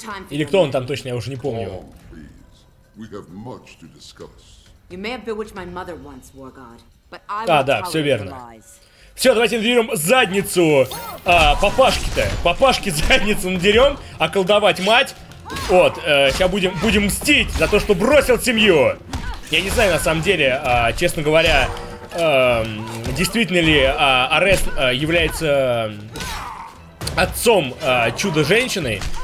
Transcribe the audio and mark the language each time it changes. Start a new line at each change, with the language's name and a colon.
Russian: Или кто он там точно, я уже не помню.
English: We have much to discuss. You may have bewitched my mother once, War God, but I will tell you the lies.
Russian: Все, давайте надерем задницу папашки-то. Папашке задницу надерем, а колдовать мать. Вот, сейчас будем мстить за то, что бросил семью. Я не знаю, на самом деле, честно говоря, действительно ли Арест является отцом чудо-женщины.